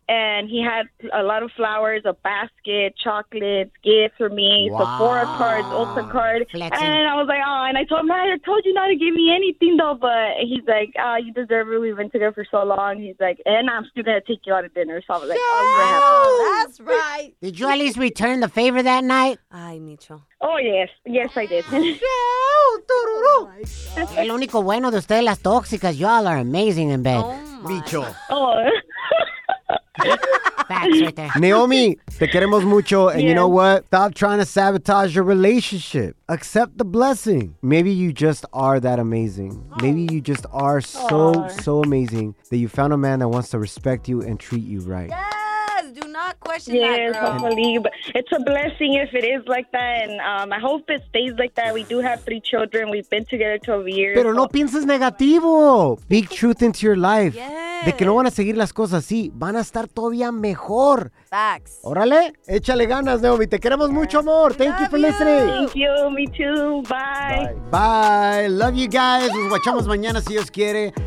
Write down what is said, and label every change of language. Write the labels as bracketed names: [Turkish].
[English] And he had a lot of flowers, a basket, chocolates, gifts for me, Sephora cards, Ulta card. Flexing. And I was like, oh, and I told him, I told you not to give me anything, though. But he's like, oh, you deserve it. We've been together for so long. He's like, and I'm still going to take you out to dinner. So I was like, oh, man. That's right. Did you at least return the favor that night? Ay, Micho. Oh, yes. Yes, I did. [Spanish] Oh, el único bueno de ustedes las tóxicas. [English] Y'all are amazing in bed. Oh, Micho. Oh. Facts right there. [Spanish] Naomi, te queremos mucho. [English] And you know what? Stop trying to sabotage your relationship. Accept the blessing. Maybe you just are that amazing. Maybe you just are so amazing that you found a man that wants to respect you and treat you right. Yeah. Do not question that, girl. Hopefully. But it's a blessing if it is like that. And I hope it stays like that. We do have 3 children. We've been together 12 years. [Spanish] Pero no pienses negativo. [English] Speak truth into your life. Yes. [Spanish] De que no van a seguir las cosas así. Van a estar todavía mejor. [English] Facts. [Spanish] Órale. Échale ganas, Naomi. Te queremos mucho, amor. [English] Thank you for listening. Thank you. Me too. Bye. Bye. Love you guys. [Spanish] Nos guachamos mañana si Dios quiere.